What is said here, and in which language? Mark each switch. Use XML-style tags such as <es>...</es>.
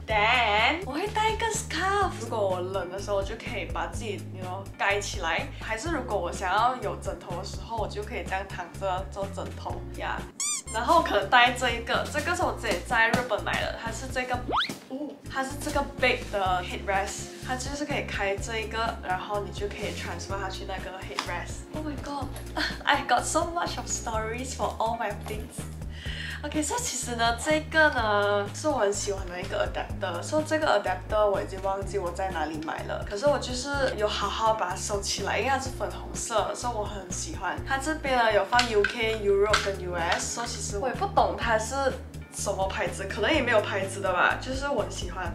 <zh>Then 我会带一个 scarf， 如果我冷的时候我就可以把自己</zh> <en>you know</en> <zh>盖起来，还是如果我想要有枕头的时候，我就可以这样。躺着做枕头呀、yeah. 然后可能带这一个，这个是我自己在日本买的，它是这个、哦、它是这个 big 的 headrest， 它就是可以开这一个，然后你就可以 transfer 它去那个 headrest。</zh> <en>Oh my god， I got so much of stories for all my things。</en> <zh>OK， 所以其实呢，这个呢是我很喜欢的一个 adapter， 所以这个 adapter 我已经忘记我在哪里买了，可是我就是有好好把它收起来，因为它是粉红色，所以我很喜欢。它这边呢有放 UK、Europe 跟 US， 所以其实我也不懂它是什么牌子，可能也没有牌子的吧，就是我很喜欢。</zh>